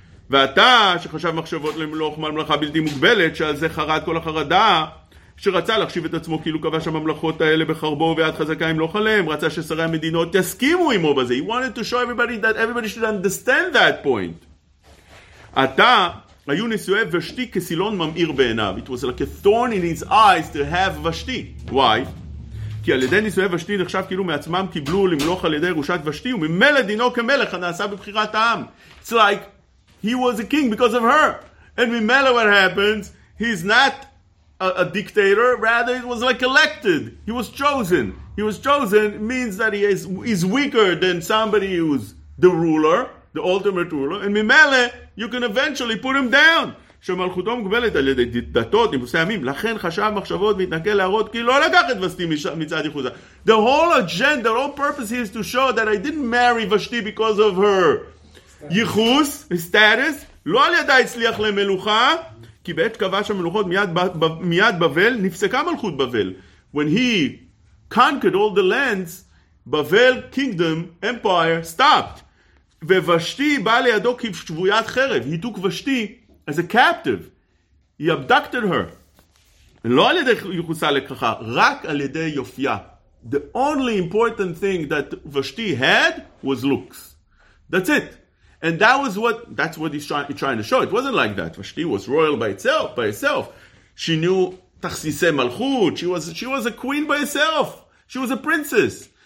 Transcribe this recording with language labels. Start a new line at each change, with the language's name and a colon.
Hebrew: ואתה, שחשב מחשבות למלוך מלמלכה בלתי מוגבלת, שעל זה חרד כל החרדה, שרצה להחשיב את עצמו כאילו כבש הממלכות האלה בחרבו ויד חזקה אם לא חלם, רצה ששרי המדינות יסכימו עמו בזה.
English: He wanted to show everybody that everybody should understand that point.
Hebrew: עתה, היו נשואי ושתי כסילון ממאיר בעיניו.
English: It was like a thorn in his eyes to have
Hebrew: ושתי.
English: Why?
Hebrew: כי על ידי נשואי ושתי נחשב כאילו מעצמם קיבלו למלוך על ידי ירושת ושתי, וממלא דינו כמלך הנעשה בבחירת העם.
English: It's like he was a king because of her. And
Hebrew: ממלא
English: what happens, he's not a dictator, rather it was like elected. He was chosen. He was chosen means that he is weaker than somebody who's the ruler, the ultimate ruler. And
Hebrew: ממלא,
English: you can eventually put him down.
Hebrew: שמלכותו מגבלת על ידי דתות, נימוסי עמים, לכן חשב מחשבות והתנגל להראות כי לא לקח את ושתי מצד יחוזה.
English: The whole agenda, the whole purpose is to show that I didn't marry ושתי because of her יחוס, status,
Hebrew: לא על ידי הצליח למלוכה, כי בעת כבש המלוכות מיד בבל, נפסקה מלכות בבל.
English: When he conquered all the lands, בבל kingdom, empire, stopped.
Hebrew: ווושתי באה לידו כשבויית חרב.
English: He took ושתי as a captive. He abducted her.
Hebrew: לא על ידי יחוסה לקחה, רק על ידי יופיה.
English: The only important thing that ושתי had was looks. That's it. And that was what, that's what he's trying to show. It wasn't like that. Vashti was royal by itself. She knew Tachsisei Malchut. She was a queen by herself. She was a princess.